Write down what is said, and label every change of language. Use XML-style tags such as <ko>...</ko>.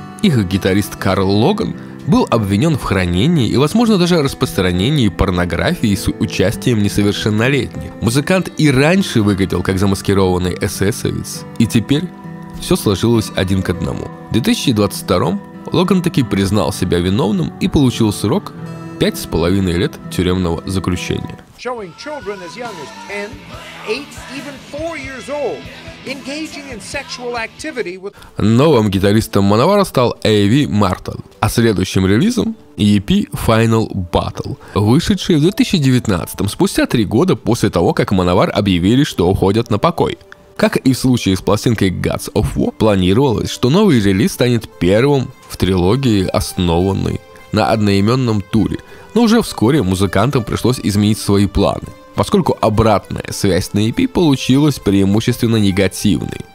<ru>Их гитарист Карл Логан был обвинен в хранении и, возможно, даже распространении порнографии с участием несовершеннолетних. Музыкант и раньше выглядел как замаскированный эсэсовец, и теперь все сложилось один к одному. В 2022-м Логан таки признал себя виновным и получил срок 5,5 лет тюремного заключения.</ru> <en>Showing children as young as 10, 8, even 4 years old, engaging in sexual activity with...</en> <ru>Новым гитаристом Manowar стал A.V. Martin, а следующим релизом EP Final Battle, вышедший в 2019-м, спустя 3 года после того, как Manowar объявили, что уходят на покой. Как и в случае с пластинкой Gods of War, планировалось, что новый релиз станет первым в трилогии, основанной на одноименном туре, но уже вскоре музыкантам пришлось изменить свои планы, поскольку обратная связь на EP получилась преимущественно негативной.</ru>